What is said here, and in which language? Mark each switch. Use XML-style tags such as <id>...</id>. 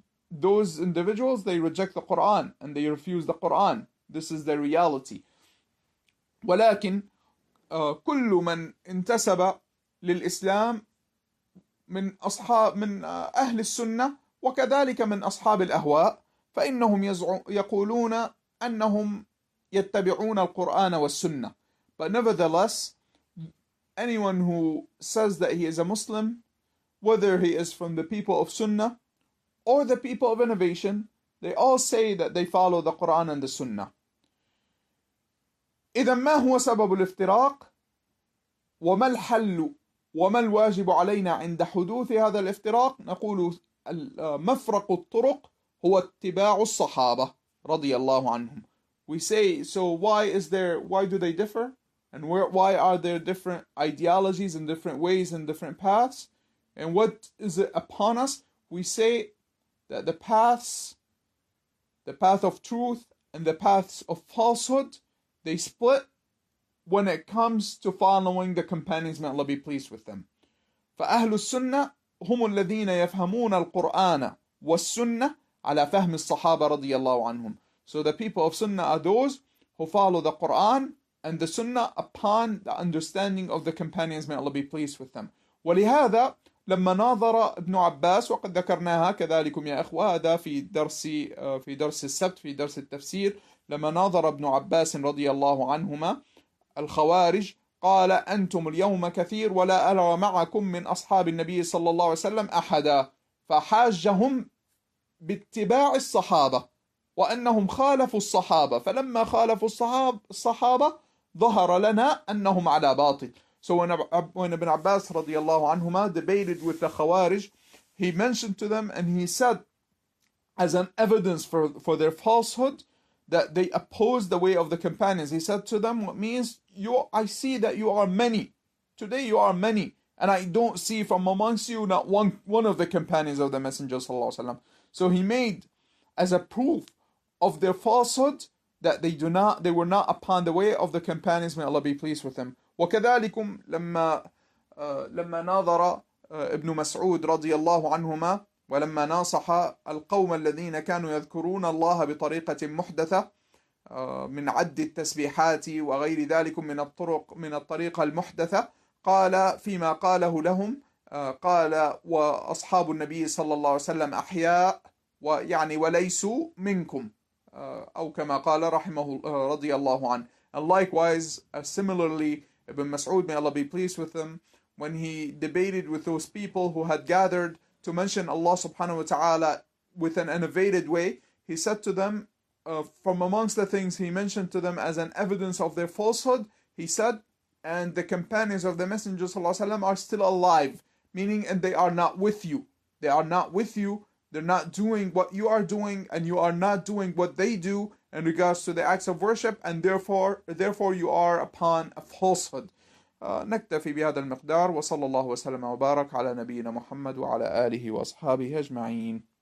<en>Those individuals, they reject the Quran and they refuse the Quran. This is the reality.</en> <ar>ولكن كل من انتسب للإسلام من أصحاب من أهل السنة وكذلك من أصحاب الأهواء فإنهم يقولون أنهم يتبعون القرآن والسنة.</ar> <en>But nevertheless, anyone who says that he is a Muslim, whether he is from the people of Sunnah or the people of innovation, they all say that they follow the Quran and the Sunnah.</en> <ar>إذا ما هو سبب الافتراق وما الحل وما الواجب علينا عند حدوث هذا الافتراق؟ نقول مفرق الطرق هو اتباع الصحابة رضي الله عنهم.</ar> <en>We say, so why do they differ? And why are there different ideologies and different ways and different paths? And what is it upon us? We say that the path of truth and the paths of falsehood, they split when it comes to following the companions, may Allah be pleased with them.</en> <ar>فأهل السنة هم الذين يفهمون القرآن والسنة على فهم الصحابة رضي الله عنهم.</ar> <en>So the people of Sunnah are those who follow the Quran and the Sunnah upon the understanding of the companions, may Allah be pleased with them.</en> <ar>ولهذا لما ناظر ابن عباس وقد ذكرناها كذلكم يا إخوة هذا في درس السبت في درس التفسير لما ناظر ابن عباس رضي الله عنهما الخوارج قال أنتم اليوم كثير ولا ألا معكم من أصحاب النبي صلى الله عليه وسلم أحدا فحاجهم باتباع الصحابة وأنهم خالفوا الصحابة فلما خالفوا الصحابة ظهر لنا أنهم على باطل.</ar> <en>So when Ibn Abbas</en> <ar>رضي الله عنهما</ar> <en>debated with the خوارج, he mentioned to them and he said as an evidence for their falsehood that they opposed the way of the companions. He said to them, what means, I see that you are many. Today you are many. And I don't see from amongst you not one of the companions of the Messenger</en> <ar>صلى الله عليه وسلم.</ar> <en>So he made as a proof of their falsehood that they were not upon the way of the companions. May Allah be pleased with them.</en> <ar>وَكَذَلِكُمْ لَمَّا نَاظَرَ إِبْنُ مَسْعُودِ رَضِيَ اللَّهُ عَنْهُمَا ولما ناصح القوم الذين كانوا يذكرون الله بطريقة محدثة من عد التسبيحات وغير ذلك من الطرق من الطريقة المحدثة، قال فيما قاله لهم، قال: وأصحاب النبي صلى الله عليه وسلم أحياء، ويعني وليسوا منكم، أو كما قال رحمه رضي الله عنه.</ar> <en>And likewise, similarly, Ibn Mas'ud, may Allah be pleased with him, when he debated with those people who had gathered to mention Allah subhanahu wa ta'ala with an innovated way, he said to them, from amongst the things he mentioned to them as an evidence of their falsehood, he said, and the companions of the Messenger sallallahu alaihi wasallam are still alive, meaning, and they are not with you. They are not with you. They're not doing what you are doing, and you are not doing what they do in regards to the acts of worship, and therefore you are upon a falsehood.</en> <ar>نكتفي بهذا المقدار، وصلى الله وسلم وبارك على نبينا محمد وعلى آله وأصحابه أجمعين.</ar>